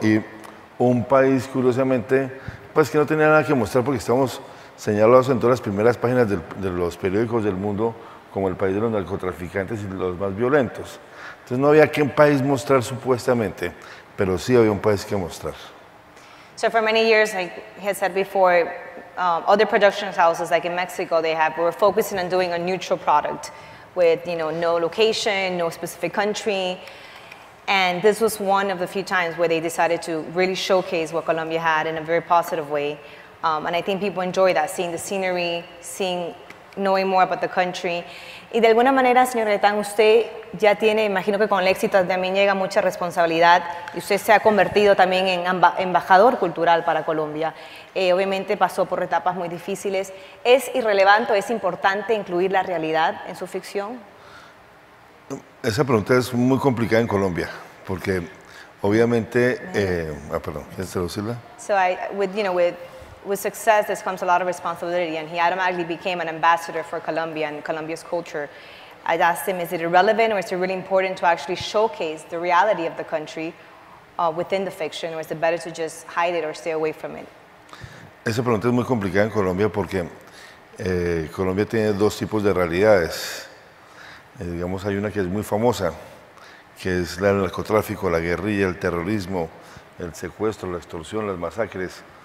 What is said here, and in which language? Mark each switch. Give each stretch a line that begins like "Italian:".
Spanish: Y un país, curiosamente, pues que no tenía nada que mostrar porque estamos señalados en todas las primeras páginas de los periódicos del mundo como el país de los narcotraficantes y los más violentos. Entonces no había qué país mostrar supuestamente, pero sí había un país que mostrar.
English: So for many years, like he had said before, other production houses like in Mexico, they have were focusing on doing a neutral product with, you know, no location, no specific country. And this was one of the few times where they decided to really showcase what Colombia had in a very positive way. And I think people enjoy that, seeing the scenery, seeing, knowing more about the country.
Spanish: Y de alguna manera, señor Letán, usted ya tiene, imagino que con el éxito también llega mucha responsabilidad, y usted se ha convertido también en embajador cultural para Colombia. Obviamente pasó por etapas muy difíciles. ¿Es irrelevante o es importante incluir la realidad en su ficción? Esa pregunta es muy complicada en Colombia, porque obviamente... ¿quieres traducirla?
English: With success, there comes a lot of responsibility, and he automatically became an ambassador for Colombia and Colombia's culture. I asked him, is it irrelevant or is it really important to actually showcase the reality of the country within the fiction, or is it better to just hide it or stay away from it?
Spanish: Esa pregunta es muy complicada en Colombia porque Colombia tiene dos tipos de realidades. Digamos, hay una que es muy famosa, que es la del narcotráfico, la guerrilla, el terrorismo, el secuestro, la extorsión, las masacres.